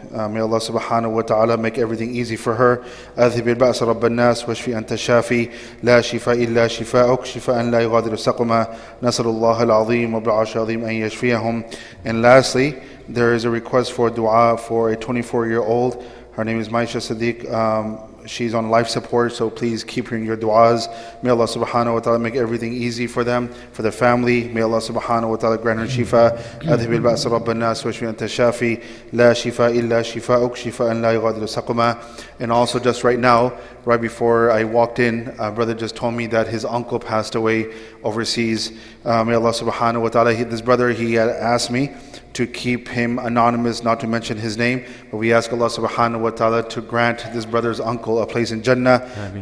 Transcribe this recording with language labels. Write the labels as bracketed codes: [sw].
[en] May Allah subhanahu wa ta'ala make everything easy for her. [ar] أذهب البأس رب الناس واشفي أنت الشافي لا شفاء إلا شفاءك شفاء لا يغادر سقما نسأل الله العظيم وبالعرش العظيم أن يشفيهم. [en] And lastly, there is a request for dua for a 24-year-old. Her name is Maisha Sadiq. She's on life support, so please keep hearing your du'as. May Allah subhanahu wa ta'ala make everything easy for them, for the family. May Allah subhanahu wa ta'ala grant her shifa. [ar] أذهب البأس رب الناس واشفي أنت الشافي لا شفاء إلا شفاءك شفاء لا يغادر سقما. [en] And also just right now, right before I walked in, a brother just told me that his uncle passed away overseas. May Allah subhanahu wa ta'ala, this brother, he had asked me to keep him anonymous, not to mention his name. But we ask Allah subhanahu wa ta'ala to grant this brother's uncle a place in Jannah. Ameen.